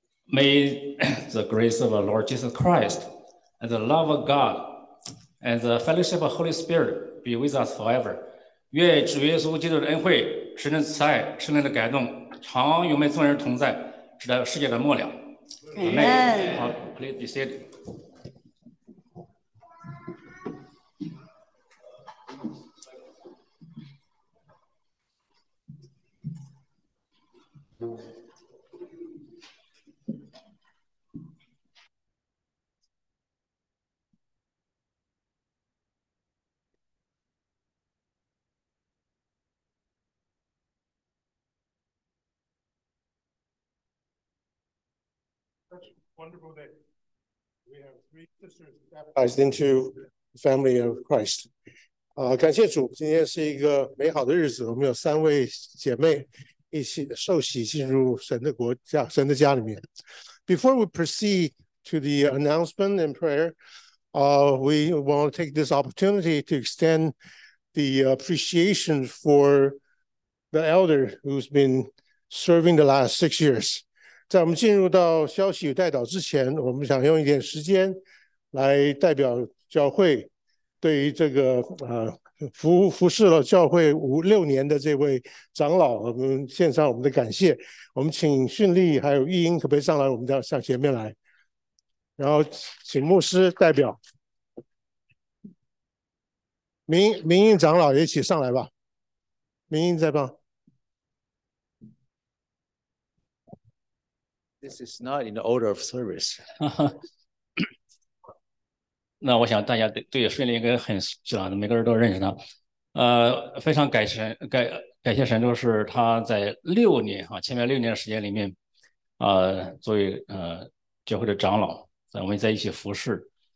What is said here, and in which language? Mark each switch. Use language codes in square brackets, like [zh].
[en] May the grace of our Lord Jesus Christ and the love of God and the fellowship of Holy Spirit be with us forever. [zh] 愿主耶稣基督的恩惠、神的慈爱、圣灵的感动，常与我们众人同在，直到世界的末了。 [en] Amen. Please be seated. Wonderful that we have three sisters baptized into family of Christ. [zh] 感谢主，今天是一个美好的日子，我们有三位姐妹一起受洗进入神的国家，神的家里面。 [en] Before we proceed to the announcement and prayer, we want to take this opportunity to extend the appreciation for the elder who's been serving the last 6 years. [zh] 在我们进入到消息与代祷之前，我们想用一点时间来代表教会对于这个服侍了教会5-6年的这位长老，我们献上我们的感谢。我们请训立还有义英可不可以上来，我们要向前面来，然后请牧师代表明英长老也一起上来吧。明英在吗？ [en] This is not in the order of service. [zh] 那我想大家对顺利应该很熟悉了，每个人都认识他。非常感谢神，就是他在前面六年的时间里面，作为教会的长老，我们在一起服侍。